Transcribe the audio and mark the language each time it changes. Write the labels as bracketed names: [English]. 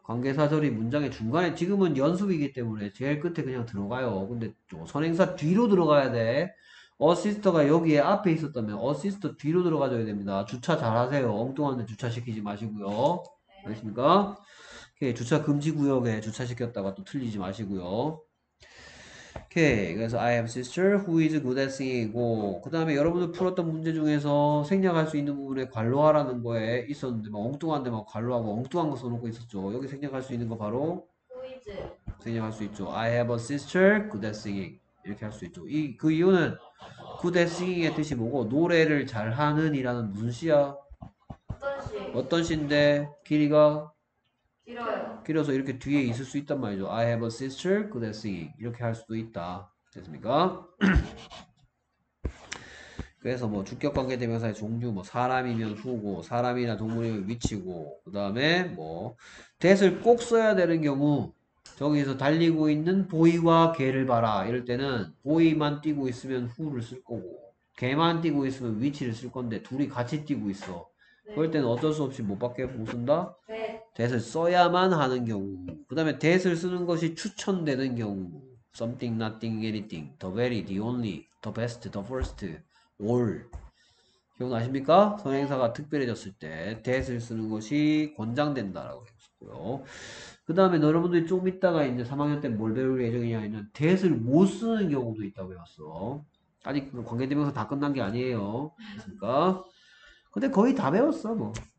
[Korean] 관계사절이 문장의 중간에 지금은 연습이기 때문에 제일 끝에 그냥 들어가요. 근데 좀 선행사 뒤로 들어가야 돼. 어시스터가 여기에 앞에 있었다면 어시스터 뒤로 들어가줘야 됩니다. 주차 잘하세요. 엉뚱한데 주차시키지 마시고요. 알겠습니까? 오케이, 주차 금지 구역에 주차시켰다가 또 틀리지 마시고요. [English] 오케이, [Korean] 그래서 [English] I have sister who is good at singing. [Korean] 그 다음에 여러분들 풀었던 문제 중에서 생략할 수 있는 부분에 괄호하라는 거에 있었는데 막 엉뚱한데 막 괄호하고 엉뚱한 거 써놓고 있었죠. 여기 생략할 수 있는 거 바로 생략할 수 있죠. [English] I have a sister good at singing. [Korean] 이렇게 할수 있죠. 이그 이유는 good at singing의 뜻이 뭐고 노래를 잘하는 이라는 무슨 시야? 어떤 시인데 길이가 길어요. 길어서 이렇게 뒤에 있을 수 있단 말이죠. [English] I have a sister good at singing. [Korean] 이렇게 할 수도 있다. 됐습니까? 그래서 뭐 주격 관계대명사의 종류 뭐 사람이면 who고 사람이나 동물이면 which고 그다음에 뭐 that을 꼭 써야 되는 경우 저기에서 달리고 있는 보이와 개를 봐라. 이럴 때는 보이만 뛰고 있으면 후를 쓸 거고, 개만 뛰고 있으면 위치를 쓸 건데 둘이 같이 뛰고 있어. 그럴 때는 어쩔 수 없이 못 밖에 못 쓴다. 댓을 써야만 하는 경우. 그다음에 댓을 쓰는 것이 추천되는 경우. [English] Something, nothing, anything, the very, the only, the best, the first, all. [Korean] 기억나십니까? 선행사가 특별해졌을 때 댓을 쓰는 것이 권장된다라고 했고요. 그 다음에 여러분들이 조금 있다가 이제 3학년 때뭘 배울 예정이냐면 that을 못 쓰는 경우도 있다고 배웠어. 아직 관계대명사 다 끝난 게 아니에요. 그러니까 근데 거의 다 배웠어 뭐.